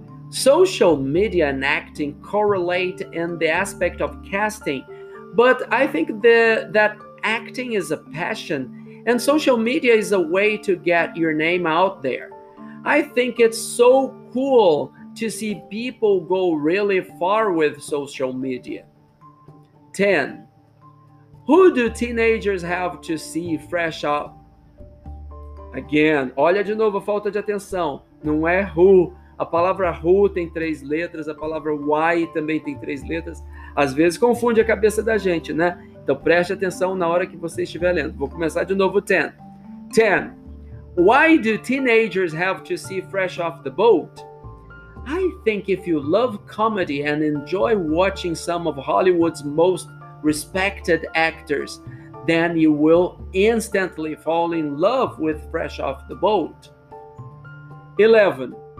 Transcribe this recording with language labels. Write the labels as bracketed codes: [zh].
[en] Social media and acting correlate in the aspect of casting, but I think that acting is a passion and social media is a way to get your name out there. I think it's so cool to see people go really far with social media. 10. Who do teenagers have to see fresh out? Again, [pt] olha de novo a falta de atenção. Não é who. A palavra who tem 3 letras, a palavra why também tem 3 letras. Às vezes confunde a cabeça da gente, né? Então preste atenção na hora que você estiver lendo. Vou começar de novo, 10. 10. [en] Why do teenagers have to see Fresh Off the Boat? I think if you love comedy and enjoy watching some of Hollywood's most respected actors, then you will instantly fall in love with Fresh Off the Boat. 11.